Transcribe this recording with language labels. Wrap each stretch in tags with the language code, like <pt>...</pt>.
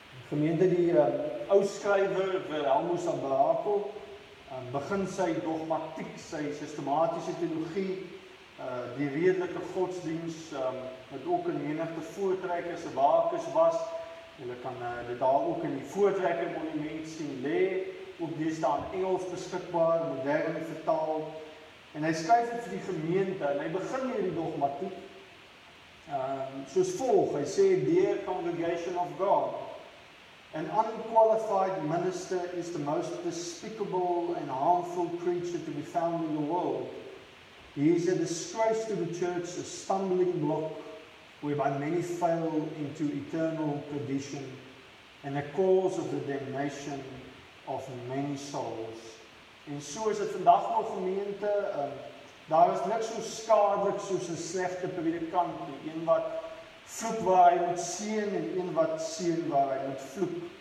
<af>Gemeente, die ou skrywer Wilhelmus van Brakel begin sy dogmatiek, sy sistematiese teologie, die redelike godsdiens, wat ook in menigte voortrekkers se bakens was. Julle kan dit daar ook in die voortrekker monument sien lê, ook die staan Engels beskikbaar, modern vertaal. En hy skryf dit vir die gemeente en hy begin hier die dogmatiek soos volg.</af> <en>Hy sê, "Dear congregation of God, an unqualified minister is the most despicable and harmful creature to be found in the world. He is a disgrace to the church, a stumbling block, whereby many fail into eternal perdition, and a cause of the damnation of many souls."</en> <af>En so is het vandag nog gemeente, daar is niks so skadelik soos een slechte predikant, die een wat vloek waar hy moet seën en een wat seën waar hy moet vloek.</af>